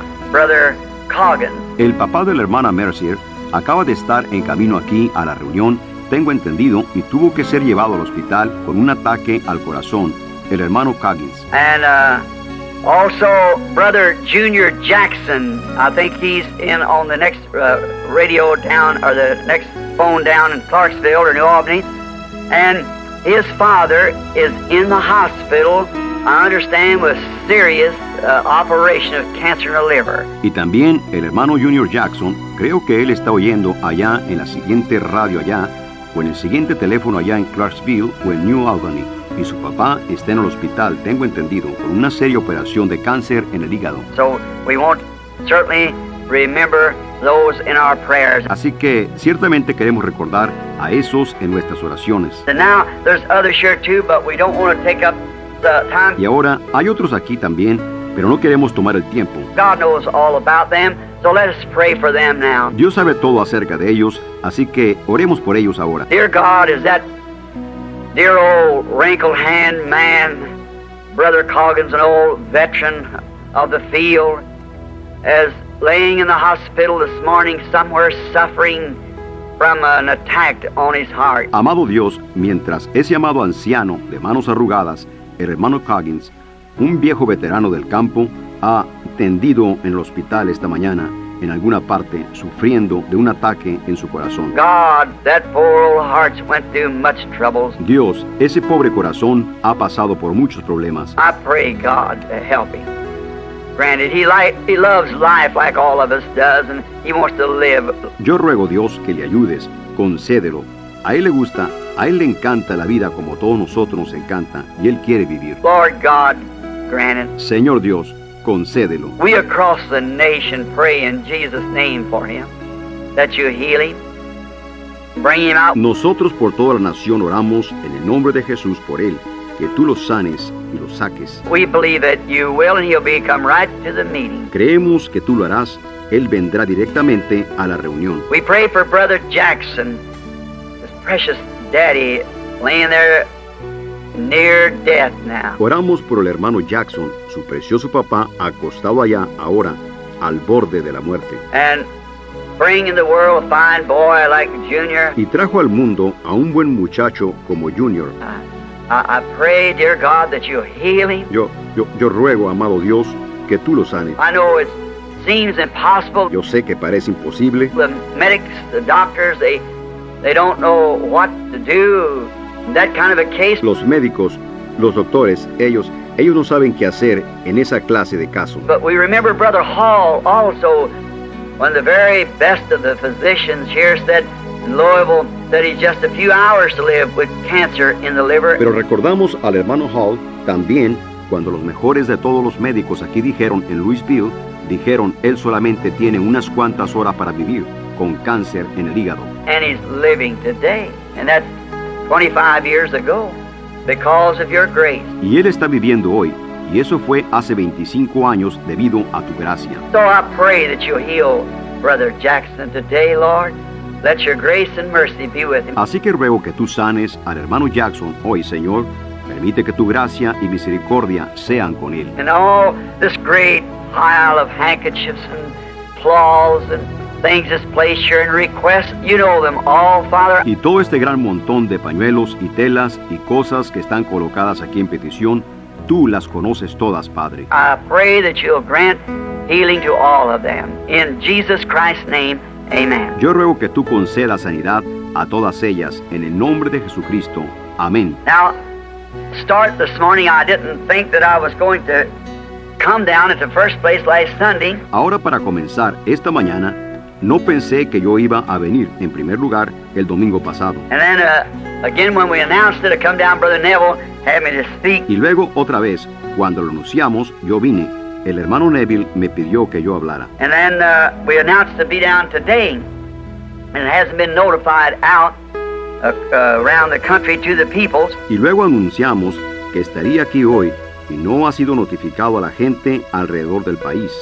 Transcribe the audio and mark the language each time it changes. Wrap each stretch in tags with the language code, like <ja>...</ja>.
<en>Brother Coggins.</en> <es>El papá de la hermana Mercer acaba de estar en camino aquí a la reunión, tengo entendido, y tuvo que ser llevado al hospital con un ataque al corazón, el hermano Coggins.</es> <en>And also brother Junior Jackson, I think he's in on the next radio down, or the next phone down in Clarksville or New Albany, and his father is in the hospital, I understand, with serious operation of cancer in the liver.</en> <es>Y también el hermano Junior Jackson, creo que él está oyendo allá en la siguiente radio allá, o en el siguiente teléfono allá en Clarksville o en New Albany. Y su papá está en el hospital, tengo entendido, con una seria operación de cáncer en el hígado.</es> <en>So we won't certainly remember those in our prayers.</en> <es>Así que ciertamente queremos recordar a esos en nuestras oraciones.</es> <en>And now there's others here too, but we don't want to take up the time.</en> <es>Y ahora hay otros aquí también, pero no queremos tomar el tiempo.</es> <en>God knows all about them. So let us pray for them now.</en> <es>Dios sabe todo acerca de ellos, así que oremos por ellos ahora.</es> <en>Dear God, is that dear old wrinkled hand man, Brother Coggins, an old veteran of the field, as laying in the hospital this morning somewhere suffering from an attack on his heart.</en> <es>Amado Dios, mientras ese amado anciano de manos arrugadas, el hermano Coggins, un viejo veterano del campo, ha tendido en el hospital esta mañana, en alguna parte, sufriendo de un ataque en su corazón.</es> <en>God, that poor old heart went through much troubles.</en> <es>Dios, ese pobre corazón ha pasado por muchos problemas.</es> <en>I pray God to help him. Granted, he loves life like all of us does, and he wants to live.</en> <es>Yo ruego Dios que le ayudes, concédelo. A él le gusta, a él le encanta la vida como a todos nosotros nos encanta, y él quiere vivir.</es> <en>Lord God, granted.</en> <es>Señor Dios, concédelo.</es> <en>We across the nation pray in Jesus' name for him, that you heal him, bring him out.</en> <es>Nosotros por toda la nación oramos en el nombre de Jesús por él, que tú lo sanes y lo saques.</es> <en>We believe that you will, and he'll be come right to the meeting.</en> <es>Creemos que tú lo harás, él vendrá directamente a la reunión.</es> <en>We pray for Brother Jackson, his precious daddy, laying there near death now.</en> <es>Oramos por el hermano Jackson, su precioso papá, acostado allá ahora, al borde de la muerte.</es> <en>And bring in the world a fine boy like Junior.</en> <es>Y trajo al mundo a un buen muchacho como Junior.</es> <en>I pray, dear God, that you heal him.</en> <es>Yo ruego, amado Dios, que tú lo sanes.</es> <en>I know it seems impossible.</en> <es>Yo sé que parece imposible.</es> <en>The medics, the doctors, they don't know what to do. That kind of a case.</en> <es>Los médicos, los doctores, ellos no saben qué hacer en esa clase de caso.</es> <en>But we remember Brother Hall also, one of the very best of the physicians here said in Louisville that he's just a few hours to live with cancer in the liver.</en> <es>Pero recordamos al hermano Hall también cuando los mejores de todos los médicos aquí dijeron en Louisville dijeron, él solamente tiene unas cuantas horas para vivir con cáncer en el hígado.</es> <en>And he's living today, and that's 25 years ago, because of your grace.</en> <es>Y él está viviendo hoy, y eso fue hace 25 años debido a tu gracia.</es> <en>So I pray that you heal Brother Jackson today, Lord. Let your grace and mercy be with him.</en> <es>Así que ruego que tú sanes al hermano Jackson hoy, Señor. Permite que tu gracia y misericordia sean con él.</es> <en>And all this great pile of handkerchiefs and cloths and things that's placed here in request, you know them all, Father.</en> <es>Y todo este gran montón de pañuelos y telas y cosas que están colocadas aquí en petición, tú las conoces todas, Padre.</es> <en>I pray that you'll grant healing to all of them. In Jesus Christ's name, amen.</en> <es>Yo ruego que tú concedas sanidad a todas ellas en el nombre de Jesucristo. Amén.</es> <en>Now, start this morning, I didn't think that I was going to come down at the first place last Sunday.</en> <es>Ahora para comenzar esta mañana, no pensé que yo iba a venir en primer lugar el domingo pasado.</es> <en>And then again when we announced it, I come down, Brother Neville had me to speak.</en> <es>Y luego otra vez, cuando lo anunciamos, yo vine. El hermano Neville me pidió que yo hablara.</es> <en>And then we announced to be down today, and it hasn't been notified out around the country to the peoples.</en> <es>Y luego anunciamos que estaría aquí hoy y no ha sido notificado a la gente alrededor del país.</es>